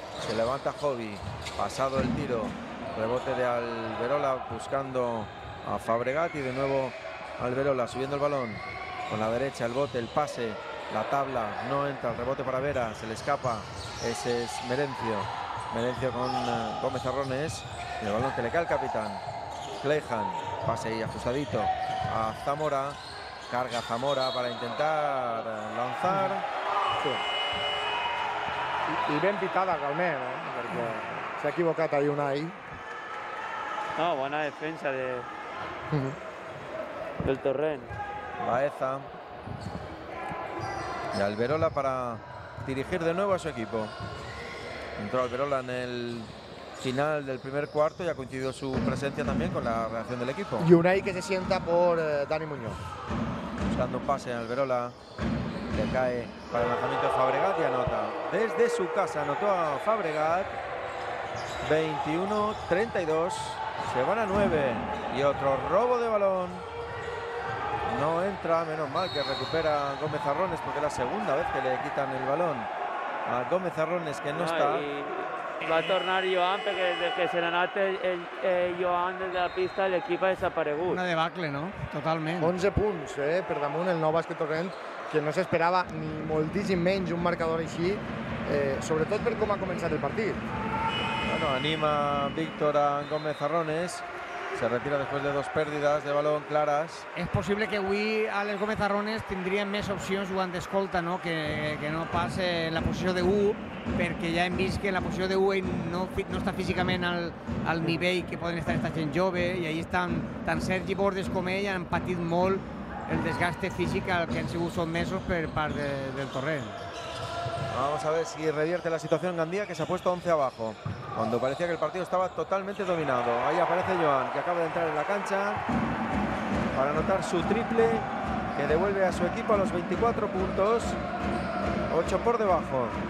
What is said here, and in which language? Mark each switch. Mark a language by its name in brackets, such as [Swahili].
[Spanish] Se levanta Hobby, pasado el tiro, rebote de Alberola buscando a Fabregat y de nuevo Alberola subiendo el balón con la derecha, el bote, el pase, la tabla, no entra, el rebote para Vera, se le escapa, ese es Merencio, Merencio con Gómez Arrones, el balón que le cae al capitán, Clayhan, pase ahí ajustadito a Zamora, carga Zamora para intentar lanzar. Sí. [Catalan] I ben pitada, realment, perquè s'ha equivocat ahir Unai. No, bona defensa del Torrent. Baeza. [Spanish] I Alberola para dirigir de nuevo a su equipo. Entró Alberola en el final del primer cuarto y ha coincidido su presencia también con la reacción del equipo. I Unai que se sienta por Dani Muñoz. Buscando un pase en Alberola. Le cae para el lanzamiento de Fabregat y anota. Desde su casa anotó a Fabregat. 21-32. Se van a 9. Y otro robo de balón. No entra. Menos mal que recupera Gómez Arrones, porque es la segunda vez que le quitan el balón a Gómez Arrones, que no está. [Catalan] Va a tornar [Spanish] Joan, porque desde que se le anate Joan desde la pista, el equipo ha desaparegut. Una debacle, ¿no? Totalmente. [Catalan] 11 puntos, per damunt el nou Basket Torrent, que no s'esperava ni moltíssim menys un marcador així, sobretot per com ha començat el partit. [Spanish] Bueno, anima Víctor a Gómez Arrones, se retira [Catalan] després de dos pèrdues [Spanish] de balón clares. [Catalan] És possible que avui Àlex Gómez Arrones tindria més opcions jugant d'escolta, no? Que no pas en la posició de 1, perquè ja hem vist que en la posició de 1 no està físicament al nivell que poden estar aquesta gent jove, i ahí estan tant Sergi Bordes com ell han patit molt el desgaste físic al que han sigut sotmesos per part del Torrent. [Spanish] Vamos a ver si revierte la situación Gandía, que se ha puesto 11 abajo, cuando parecía que el partido estaba totalmente dominado. Ahí aparece Joan, que acaba de entrar en la cancha para anotar su triple, que devuelve a su equipo a los 24 puntos, 8 por debajo.